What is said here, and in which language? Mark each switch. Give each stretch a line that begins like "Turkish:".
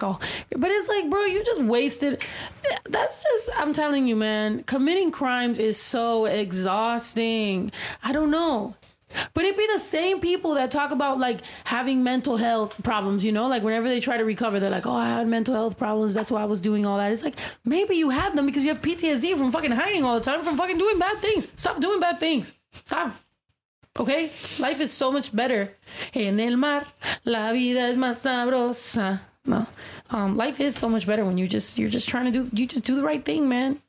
English: But it's like, bro, you just wasted. That's just, I'm telling you, man, committing crimes is so exhausting. I don't know. But it'd be the same people that talk about like having mental health problems, you know, like whenever they try to recover, they're like, oh, I had mental health problems. That's why I was doing all that. It's like, maybe you had them because you have PTSD from fucking hiding all the time, from fucking doing bad things. Stop doing bad things. Stop. Okay? Life is so much better.
Spanish: En el mar, la vida es más sabrosa. No.
English: Life is so much better when you're just trying to do the right thing, man.